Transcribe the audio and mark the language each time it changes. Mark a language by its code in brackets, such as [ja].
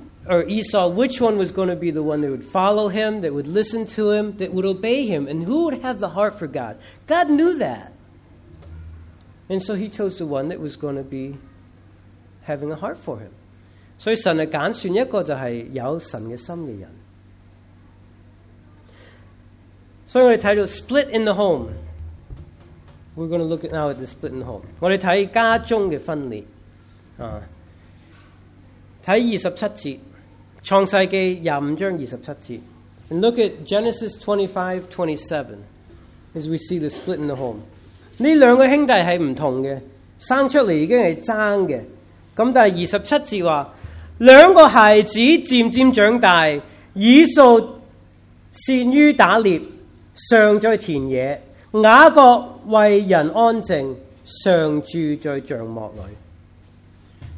[en] Or Esau, which one was going to be the one that would follow him, that would listen to him, that would obey him, and who would have the heart for God? God knew that. And so he chose the one that was going to be having a heart for him. [zh] 所以神的拣选一个就是有神的心的人。所以我们看到 [en] split in the home. We're going to look now at the split in the home. [zh] 我们看家中的分裂。看27节。创世纪25章27节 [en] And look at Genesis 25:27 as we see the split in the home. [zh] 这两个兄弟是不同的，生出来已经是争的。但是27节说，两个孩子渐渐长大，以扫善于打猎，常在田野，雅各为人安静，常住在帐幕里。